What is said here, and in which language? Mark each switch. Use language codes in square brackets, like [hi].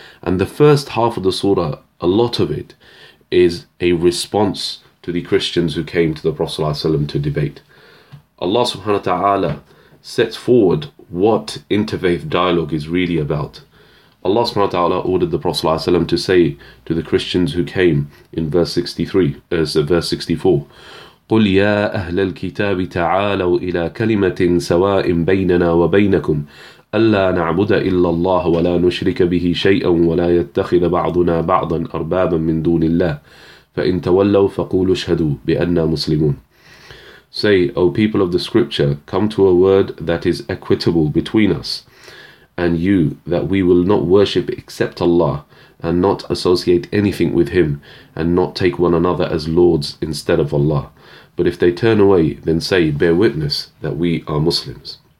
[en] And the first half of the surah, a lot of it, is a response to the Christians who came to the Prophet ﷺ to debate. Allah subhanahu wa ta'ala sets forward what interfaith dialogue is really about. Allah subhanahu wa ta'ala ordered the Prophet ﷺ to say to the Christians who came in verse 64, [ar] قل يا أهل الكتاب تعالوا إلى كلمة سواء بيننا وبينكم ألا نعبد إلا الله ولا نشرك به شيئا ولا يتخذ بعضنا بعضا أربابا من دون الله فإن تولوا فقولوا اشهدوا بأننا مسلمون. [en] Say, O people of the scripture, come to a word that is equitable between us and you, that we will not worship except Allah and not associate anything with Him and not take one another as lords instead of Allah. But if they turn away, then say, bear witness that we are Muslims.